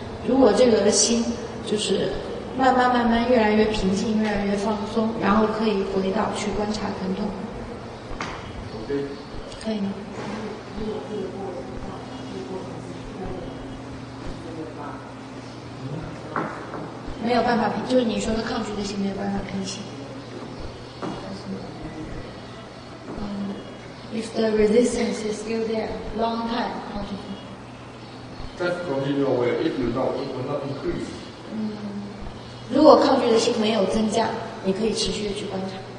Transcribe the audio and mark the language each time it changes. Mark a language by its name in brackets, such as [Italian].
[Chinese] 如果这个心就是。慢慢慢慢越来越平静，越来越放松，然后可以回到去观察疼痛。 [English] OK， [Chinese] 可以吗？没有办法平，就是你说的抗拒的心没有办法平息。 [English] If the resistance is still there, long time, how to do? Just continue aware. If you know, it will not increase. [Chinese] 如果抗拒的心没有增加，你可以持续的去观察。